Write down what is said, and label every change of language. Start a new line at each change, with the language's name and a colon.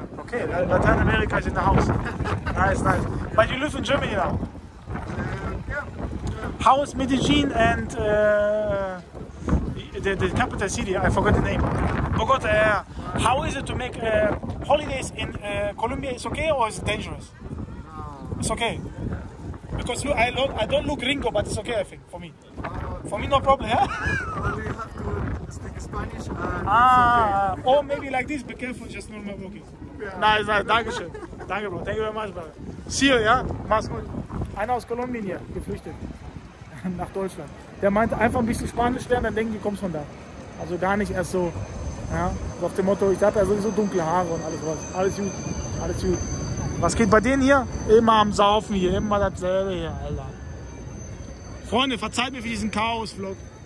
German: Okay, Lateinamerika ist
English: in the house. Nice, nice. But you live in Germany now? Yeah. How is Medellin and the capital city? I forgot the name. Bogota, yeah. How is it to make holidays in Colombia? Is okay or is it dangerous? It's okay. Because you, I don't look gringo, but it's okay, I think, for me. For me, no problem, yeah? Only you have to speak Spanish and okay. Or maybe like this, be careful, just normal walking. Yeah. Nice, nice,
German: danke schön. Danke,
English: bro. Thank you very much, brother. See you, yeah?
German: Mach's gut. Einer aus Kolumbien hier, geflüchtet. Nach Deutschland. Der meinte, einfach ein bisschen Spanisch lernen, dann denken, du kommst von da. Also gar nicht erst so, ja? Auf dem Motto, ich dachte, er sowieso dunkle Haare und alles was. Alles gut, alles gut. Was geht bei denen hier? Immer am Saufen hier, immer dasselbe hier, Alter. Freunde, verzeiht mir für diesen Chaos-Vlog.